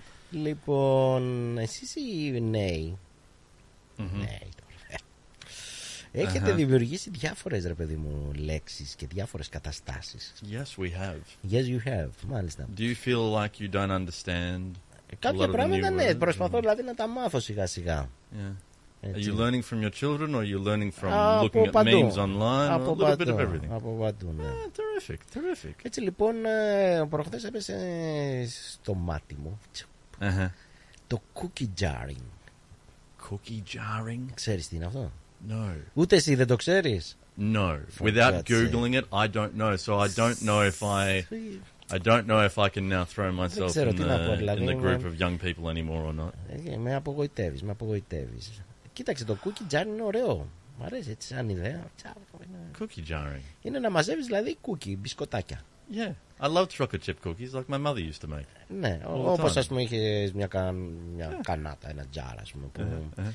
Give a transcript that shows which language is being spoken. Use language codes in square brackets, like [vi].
[el] Λοιπόν, εσείς οι νέοι, νέοι τώρα, έχετε δημιουργήσει διάφορες, ρε παιδί μου, λέξεις και διάφορες καταστάσεις. [en] Yes, we have. Yes, you have, μάλιστα. Do you feel like you don't understand? [el] Κάποια πράγματα, ναι, προσπαθώ δηλαδή να τα μάθω σιγά-σιγά. [en] Yeah. Έτσι. Are you learning from your children or are you learning from looking at memes online? [el] Από [en] a little bit of everything. [el] Από παντού, ναι. [en] Ah, terrific, terrific. [el] Έτσι λοιπόν, προχθές έπεσε στο μάτι μου το cookie jarring. [en] Cookie jarring? [el] Ξέρεις τι είναι αυτό? [en] No. [el] Ούτε εσύ δεν το ξέρεις? [en] No. Without googling it, I don't know. So I don't know if I... I don't know if I can now throw myself in the group of young people anymore or not. [el] Με απογοητεύεις, με απογοητεύεις. Κοίταξε, το cookie jarring είναι ωραίο. Μ' αρέσει, έτσι σαν ιδέα. [en] Cookie jarring. [el] Είναι να μαζεύεις, δηλαδή, cookie, μπισκοτάκια. [en] Yeah, I love chocolate chip cookies like my mother used to make. [el] Ναι, όπως ας πούμε είχες μια κανάτα, ένα jar, ας πούμε.